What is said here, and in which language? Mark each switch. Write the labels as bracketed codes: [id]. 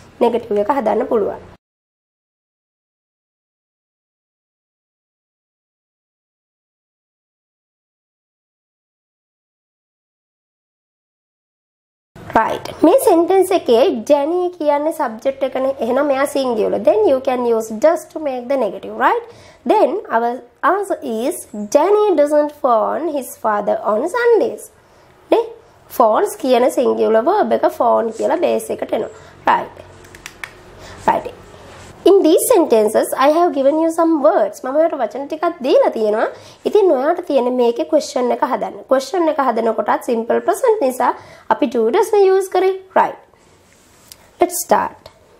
[si] Negative එක හදන්න පුළුවන්. Right. මේ sentence එකේ Jenny කියන්නේ subject එකනේ. එහෙනම් මෙයා singular. [en] Then you can use does to make the negative, right? Then our answer is Jenny doesn't phone his father on Sundays. [si] නේ? Phones කියන singular verb එක phone කියලා base එකට එනවා. [en] Right. Right. In these sentences, I have given you some words. [si] මම ඔයාලට වචන ටිකක් දීලා තියෙනවා. ඉතින් ඔයාලට තියෙන්නේ මේකේ question එක හදන්න. Question එක හදනකොට simple present නිසා අපි do does ම use කරේ. [en] Right. Let's start.